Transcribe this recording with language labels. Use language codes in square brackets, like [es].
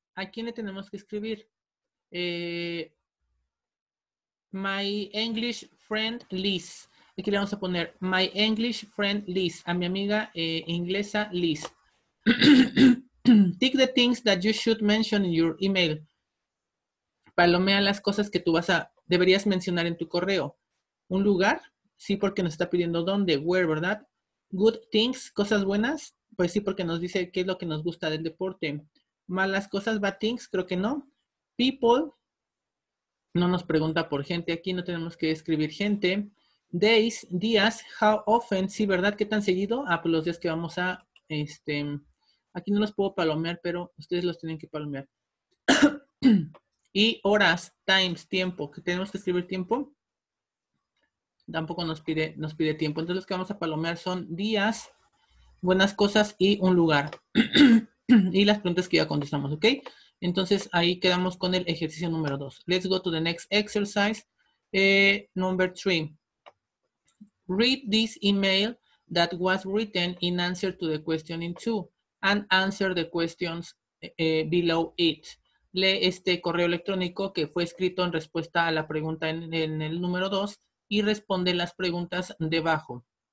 [es] ¿A quién le tenemos que escribir? [en] My English friend Liz. [es] Aquí le vamos a poner [en] my English friend Liz. [es] A mi amiga inglesa Liz. [en] Tick the things that you should mention in your email. [es] Palomea las cosas que tú deberías mencionar en tu correo. Un lugar. Sí, porque nos está pidiendo dónde. Where, ¿verdad? [en] Good things. [es] Cosas buenas. Pues sí, porque nos dice qué es lo que nos gusta del deporte. Malas cosas. [en] Bad things. [es] Creo que no. People. No nos pregunta por gente. Aquí no tenemos que escribir gente. Days, días, [en] how often. [es] Sí, ¿verdad? ¿Qué tan seguido? Ah, pues los días que vamos a, aquí no los puedo palomear, pero ustedes los tienen que palomear. Y horas, times, tiempo. ¿Qué tenemos que escribir tiempo? Tampoco nos pide tiempo. Entonces, los que vamos a palomear son días, buenas cosas y un lugar. Y las preguntas que ya contestamos, ¿ok? Entonces, ahí quedamos con el ejercicio número 2. [en] Let's go to the next exercise. Number 3. Read this email that was written in answer to the question in 2 and answer the questions below it. [es] Lee este correo electrónico que fue escrito en respuesta a la pregunta en el número 2 y responde las preguntas debajo.